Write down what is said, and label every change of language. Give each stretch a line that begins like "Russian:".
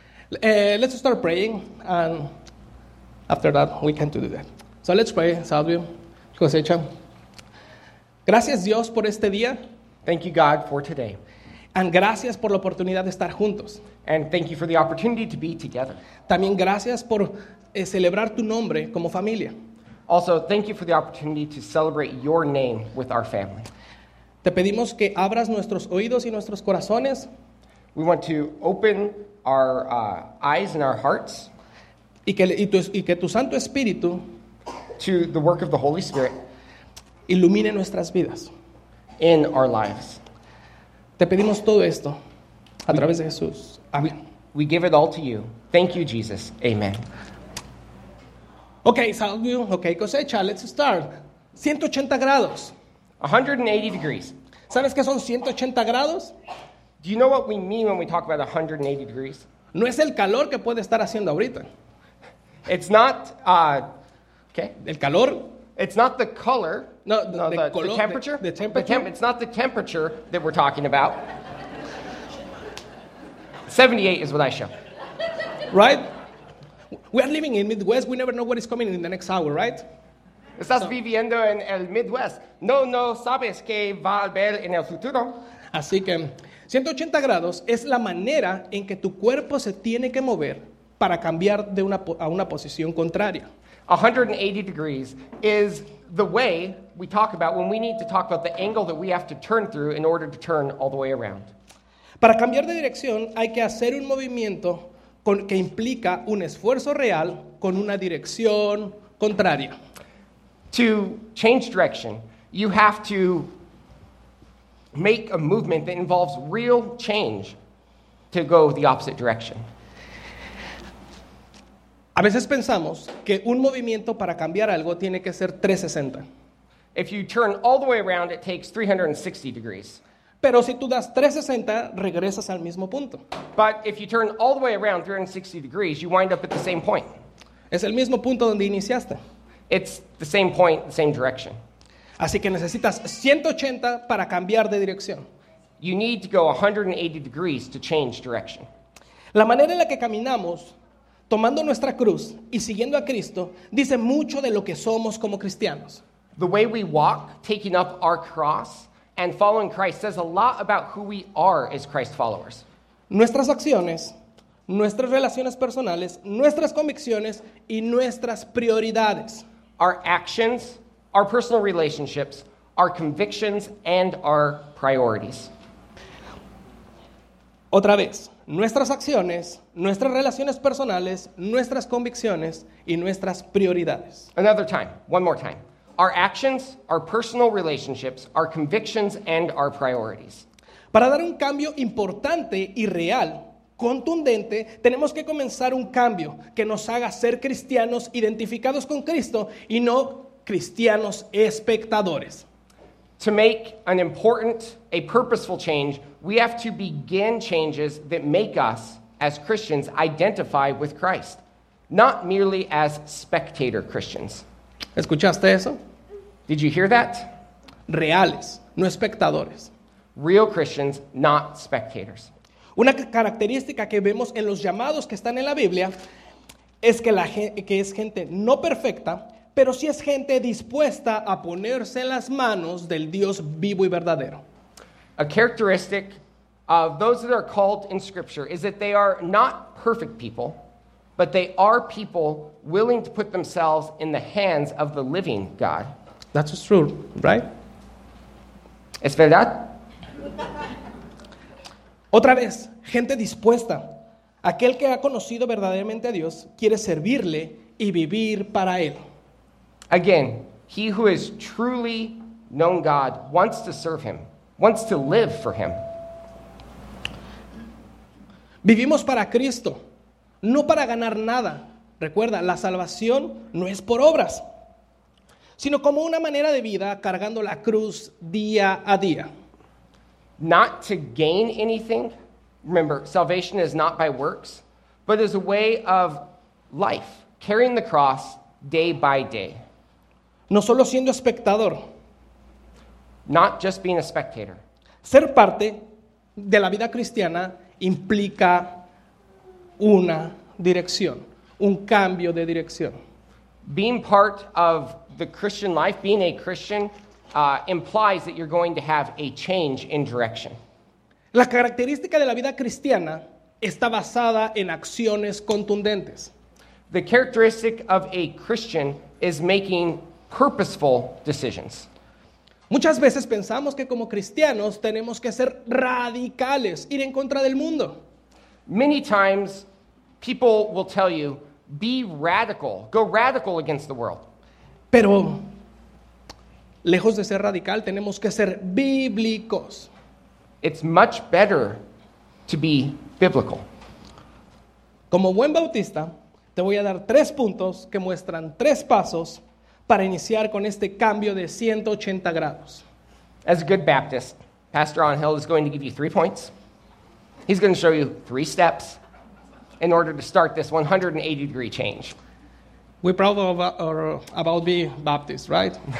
English: let's start praying, and after that, we can do that. So let's pray.
Spanish: Salve, cosecha. Gracias, Dios, por este día.
English: Thank you, God, for today.
Spanish: And gracias por la oportunidad de estar juntos.
English: And thank you for the opportunity to be together.
Spanish: También gracias por celebrar tu nombre como familia.
English: Also, thank you for the opportunity to celebrate your name with our family.
Spanish: Te pedimos que abras nuestros oídos y nuestros corazones.
English: We want to open our eyes and our hearts.
Spanish: Y que tu Santo Espíritu,
English: to the work of the Holy Spirit,
Spanish: ilumine nuestras vidas,
English: in our lives.
Spanish: Te pedimos todo esto a través de Jesús. Amén.
English: We give it all to you. Thank you, Jesus. Amen. Okay, salve. Okay, cosecha. Let's start.
Spanish: 180 grados.
English: 180 degrees.
Spanish: ¿Sabes qué son 180 grados?
English: Do you know what we mean when we talk about 180 degrees?
Spanish: No es el calor que puede estar haciendo ahorita.
English: It's not, okay.
Spanish: El calor.
English: It's not the color.
Spanish: No,
English: the color. The temperature. The temperature. It's not the temperature that we're talking about. 78 is what I show. Right? We are living in Midwest. We never know what is coming in the next hour, right?
Spanish: Estás so. Viviendo en el Midwest. No sabes qué va a haber en el futuro. Así que 180 grados es la manera en que tu cuerpo se tiene que mover para cambiar de una a una posición contraria.
English: 180 degrees is the way we talk about when we need to talk about the angle that we have to turn through in order to turn all the way around.
Spanish: Para cambiar de dirección hay que hacer un movimiento que implica un esfuerzo real con una dirección contraria.
English: To change direction, you have to make a movement that involves real change to go the opposite direction.
Spanish: A veces pensamos que un movimiento para cambiar algo tiene que ser 360.
English: If you turn all the way around, it takes 360 degrees.
Spanish: Pero si tú das 360, regresas al mismo punto.
English: But if you turn all the way around 360 degrees, you wind up at the same point.
Spanish: Es el mismo punto donde iniciaste.
English: It's the same point, the same direction.
Spanish: Así que necesitas 180 para cambiar de dirección.
English: You need to go 180 degrees to change direction.
Spanish: La manera en la que caminamos, tomando nuestra cruz y siguiendo a Cristo, dice mucho de lo que somos como cristianos.
English: The way we walk, taking up our cross and following Christ, says a lot about who we are as Christ followers.
Spanish: Nuestras acciones, nuestras relaciones personales, nuestras convicciones y nuestras prioridades.
English: Our actions, our personal relationships, our convictions and our priorities.
Spanish: Otra vez, nuestras acciones, nuestras relaciones personales, nuestras convicciones y nuestras prioridades.
English: Another time, one more time. Our actions, our personal relationships, our convictions and our priorities.
Spanish: Para dar un cambio importante y real, contundente, tenemos que comenzar un cambio que nos haga ser cristianos identificados con Cristo y no cristianos espectadores.
English: To make an important, a purposeful change, we have to begin changes that make us, as Christians, identify with Christ, not merely as spectator Christians.
Spanish: ¿Escuchaste eso?
English: Did you hear that?
Spanish: Reales, no espectadores.
English: Real Christians, not spectators.
Spanish: Una característica que vemos en los llamados que están en la Biblia es que es gente no perfecta, pero sí es gente dispuesta a ponerse en las manos del Dios vivo y verdadero.
English: A characteristic of those that are called in Scripture is that they are not perfect people, but they are people willing to put themselves in the hands of the living God. That's true, right?
Spanish: ¿Es verdad? Otra vez, gente dispuesta. Aquel que ha conocido verdaderamente a Dios quiere servirle y vivir para Él.
English: Again, he who has truly known God wants to serve Him, wants to live for Him.
Spanish: Vivimos para Cristo, no para ganar nada. Recuerda, la salvación no es por obras, sino como una manera de vida cargando la cruz día a día.
English: Not to gain anything. Remember, salvation is not by works, but is a way of life, carrying the cross day by day.
Spanish: No solo siendo espectador.
English: Not just being a spectator.
Spanish: Ser parte de la vida cristiana implica una dirección, un cambio de dirección.
English: Being part of the Christian life, being a Christian, implies that you're going to have a change in direction.
Spanish: La característica de la vida cristiana está basada en acciones contundentes.
English: The characteristic of a Christian is making purposeful decisions.
Spanish: Muchas veces pensamos que como cristianos tenemos que ser radicales, ir en contra del mundo.
English: Many times people will tell you, be radical, go radical against the world.
Spanish: Pero lejos de ser radical, tenemos que ser bíblicos.
English: It's much better to be biblical.
Spanish: Como buen bautista, te voy a dar tres puntos que muestran tres pasos para iniciar con este cambio de 180 grados.
English: As a good Baptist, Pastor Angel is going to give you 3 points. He's going to show you 3 steps in order to start this 180 degree change. We're proud of or about being Baptist, right?